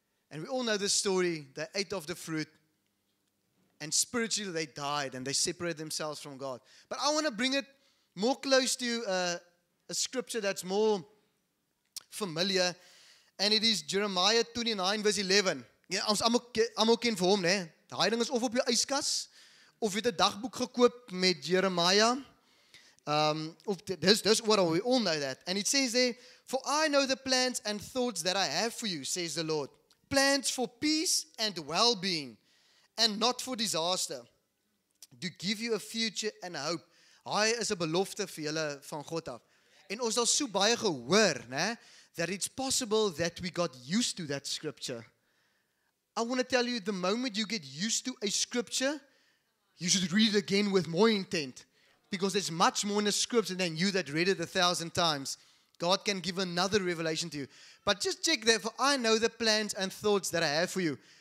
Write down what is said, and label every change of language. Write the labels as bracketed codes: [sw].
[en] And we all know the story, they ate of the fruit. And spiritually they died and they separated themselves from God. But I want to bring it more close to a scripture that's more familiar. And it is Jeremiah 29 verse 11. [af] Ja, ons almal ken vir hom, né? Daai ding is of op jou yskas of jy 'n dagboek gekoop met Jeremiah. [en] This what we all know that. And it says there, for I know the plans and thoughts that I have for you, says the Lord. Plans for peace and well-being. And not for disaster. To give you a future and a hope. [af] Hy is 'n belofte vir julle van God af. En ons het so baie gehoor, né? [en] That it's possible that we got used to that scripture. I want to tell you, the moment you get used to a scripture, you should read it again with more intent. Because there's much more in the scripture than you that read it 1,000 times. God can give another revelation to you. But just check that, for I know the plans and thoughts that I have for you.